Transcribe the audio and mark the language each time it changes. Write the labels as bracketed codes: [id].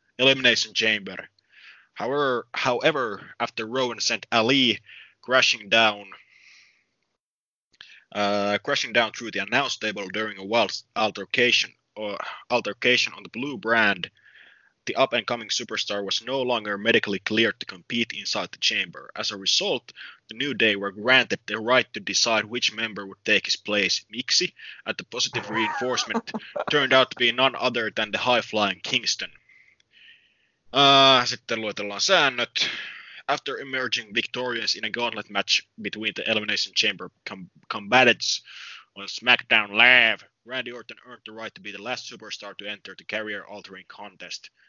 [en] Elimination Chamber. However, after Rowan sent Ali crashing down through the announce table during a wild altercation on the Blue Brand, the up-and-coming superstar was no longer medically cleared to compete inside the chamber. As a result, the New Day were granted the right to decide which member would take his place. [fi] Miksi? [en] At the positive reinforcement turned out to be none other than the high-flying Kingston. [fi] Sitten luetellaan säännöt. [en] After emerging victorious in a gauntlet match between the Elimination Chamber combatants on SmackDown Live, Randy Orton earned the right to be the last superstar to enter the career-altering contest.